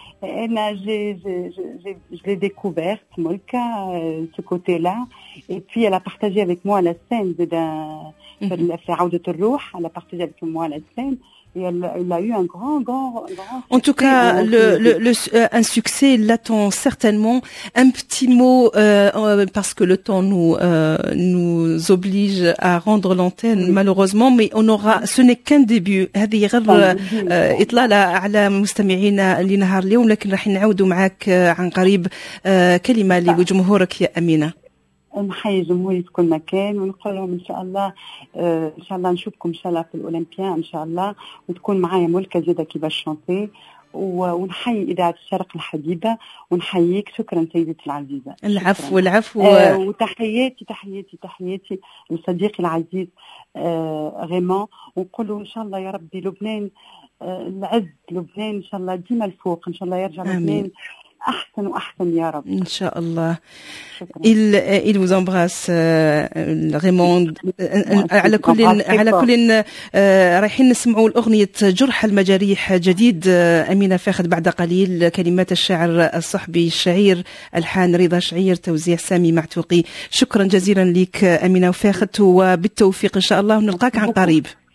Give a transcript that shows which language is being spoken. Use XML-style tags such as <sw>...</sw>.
<fr>Anna, je l'ai découverte, Molka, ce côté-là, et puis elle a partagé avec moi la scène elle a partagé avec moi la scène. Et elle a eu un grand en tout cas un succès l'attend certainement. Un petit mot parce que le temps nous oblige à rendre l'antenne, oui. Malheureusement, mais on aura, ce n'est qu'un début.</fr> <ar>هذه غير إطلالة على مستمعينا لنهار اليوم, لكن راح نعود معك عن قريب. كلمة لجمهورك يا أمينة. نحيي جمهوري في كل مكان ونقول لهم ان شاء الله ان شاء الله نشوفكم ان شاء الله في الاولمبيا ان شاء الله, وتكون معايا ملكة زيدة كي باش شانتي, ونحيي اذاعه الشرق الحبيبه ونحييك. شكرا سيدتي العزيزه. العفو شكرا. العفو. وتحياتي لصديقي العزيز غيمون, ونقول له ان شاء الله يا ربي لبنان العز, لبنان ان شاء الله ديما الفوق, ان شاء الله يرجع لبنان أحسن وأحسن يا رب إن شاء الله.</ar> <fr>il vous embrasse Raymond.</fr> <ar>على كل رايحين نسمعوا الأغنية جرح المجاريح جديد أمينة فاخد بعد قليل. كلمات الشاعر الصحبي الشعير الحان رضا شعير, توزيع سامي معتوقي. شكرا جزيلا لك أمينة وفاخد, وبالتوفيق إن شاء الله, ونلقاك عن قريب</ar>